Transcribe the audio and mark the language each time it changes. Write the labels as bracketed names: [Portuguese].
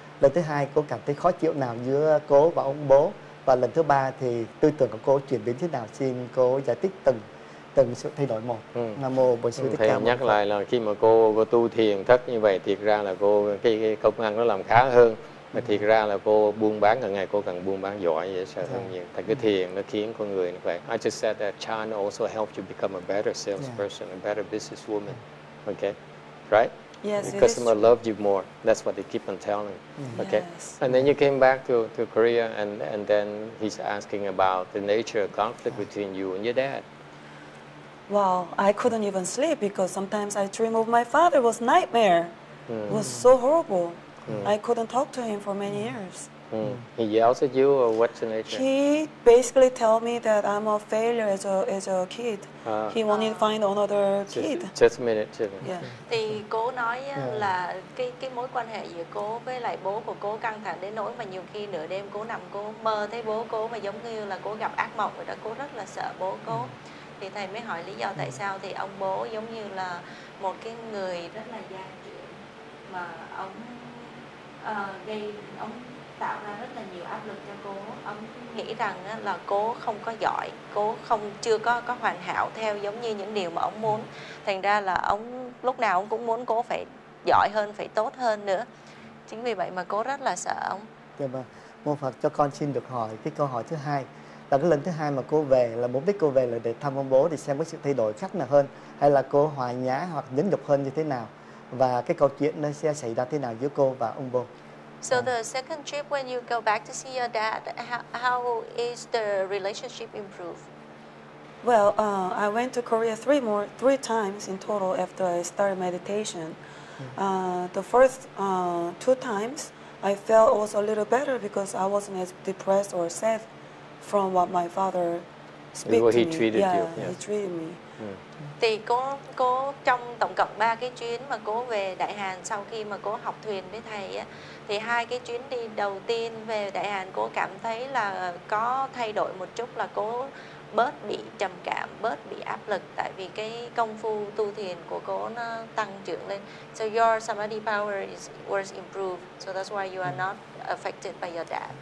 [Vietnamese] Lần thứ hai cô cảm thấy khó chịu nào giữa cô và ông bố? Và lần thứ ba thì tư tưởng của cô chuyển biến thế nào? Xin cô giải thích từng sự thay đổi một. Nam mô Bổn Sư Thích Ca. Thầy nhắc lại là khi mà cô tu thiền thất như vậy, thiệt ra là cô cái công ăn nó làm khá hơn. Mà thiệt ra là cô buôn bán, càng ngày cô càng buôn bán giỏi vậy sợ hơn nhiều. Tại cái thiền nó khiến con người như vậy. [English] I just said that China also helped you become a better salesperson, a better businesswoman. Okay, right? Yes, the customer loved you more. That's what they keep on telling. Mm-hmm. Okay, yes. And then you came back to Korea, and then he's asking about the nature of conflict between you and your dad. Well, I couldn't even sleep because sometimes I dream of my father. It was nightmare. Mm-hmm. It was so horrible. Mm-hmm. I couldn't talk to him for many years. Mm-hmm. He yells at you, or what's the nature? He basically tell me that I'm a failure as a kid. He wanted to find another kid. Just a minute, too. Yeah. [Vietnamese] Thì cô nói là cái mối quan hệ giữa cô với lại bố của cô căng thẳng đến nỗi mà nhiều khi nửa đêm cô nằm cô mơ thấy bố cô, mà giống như là cô gặp ác mộng rồi đó. Cô rất là sợ bố cô. Thì thầy mới hỏi lý do tại sao. Thì ông bố giống như là một cái người rất là gia trưởng, mà ông tạo ra rất là nhiều áp lực cho cô. Ông nghĩ rằng là cô không có giỏi, cô chưa có hoàn hảo theo giống như những điều mà ông muốn. Thành ra là ông lúc nào cũng muốn cô phải giỏi hơn, phải tốt hơn nữa. Chính vì vậy mà cô rất là sợ ông. Dạ mà, Mô Phật cho con xin được hỏi cái câu hỏi thứ hai. Là cái lần thứ hai mà cô về, là mục đích cô về là để thăm ông bố, để xem có sự thay đổi khác nào hơn, hay là cô hòa nhã hoặc nhẫn nhục hơn như thế nào, và cái câu chuyện nó sẽ xảy ra thế nào giữa cô và ông bố. [English] So the second trip when you go back to see your dad, how is the relationship improved? Well, I went to Korea three times in total after I started meditation. The first two times I felt also a little better because I wasn't as depressed or sad from what my father speak to me. He treated you. Yeah, he treated me. [Vietnamese] Thì cô trong tổng cộng 3 cái chuyến mà cô về Đại Hàn sau khi mà cô học thuyền với thầy á, thì 2 cái chuyến đi đầu tiên về Đại Hàn cô cảm thấy là có thay đổi một chút, là cô bớt bị trầm cảm, bớt bị áp lực, tại vì cái công phu tu thiền của cô nó tăng trưởng lên. [English] So your samadhi power is was improved, so that's why you are not affected by your dad.